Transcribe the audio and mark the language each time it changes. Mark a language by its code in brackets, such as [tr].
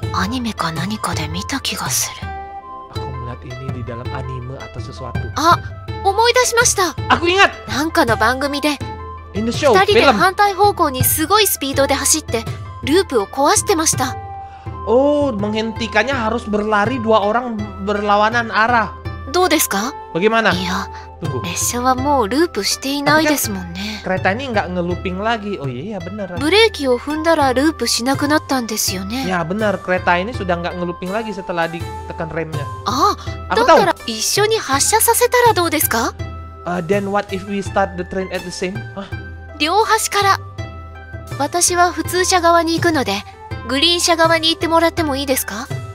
[ja] Anime か何かで見た気がする. [id] Aku melihat ini di dalam anime atau sesuatu. [ja] あ、思い出しました. [id] Aku ingat. [ja] なんかの番組で. [en] In the show, [ja] 2人で反対方向にすごいスピードで走ってループを壊してました. [id] Oh, menghentikannya harus berlari dua orang berlawanan arah. [ja] どうですか? [id] Bagaimana? Iya. Tunggu. [ja] 列車はもうループしていないですもんね。 [id] Kereta ini enggak ngelooping lagi. Oh iya, benar. [ja] ブレーキを踏んだらループしなくなったんですよね。 [id] Ya, benar. Kereta ini sudah enggak ngelooping lagi setelah ditekan remnya. Aku tahu. [ja] だから一緒に発車させたらどうですか? [en] Then what if we start the train at the same? [ja] 両端から。私は普通車側に行くので、グリーン車側に行ってもらってもいいですか?